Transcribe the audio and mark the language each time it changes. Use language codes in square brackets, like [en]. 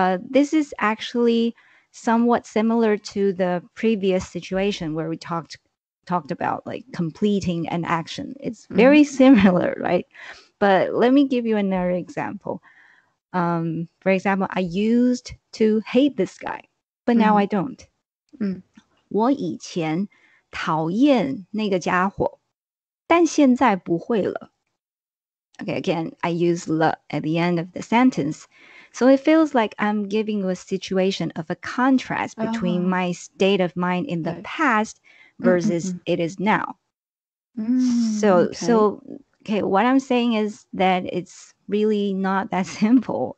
[en] This is actually somewhat similar to the previous situation where we talked about like completing an action. It's very mm-hmm. similar, right? But let me give you another example. For example, I used to hate this guy, but now mm-hmm. I don't. Mm. [zh] 我以前讨厌那个家伙，但现在不会了. [en] Okay, again, I use "le" at the end of the sentence. So it feels like I'm giving you a situation of a contrast between uh-huh. my state of mind in the right. past versus mm-hmm. it is now. Mm, so, okay. so, okay, what I'm saying is that it's really not that simple.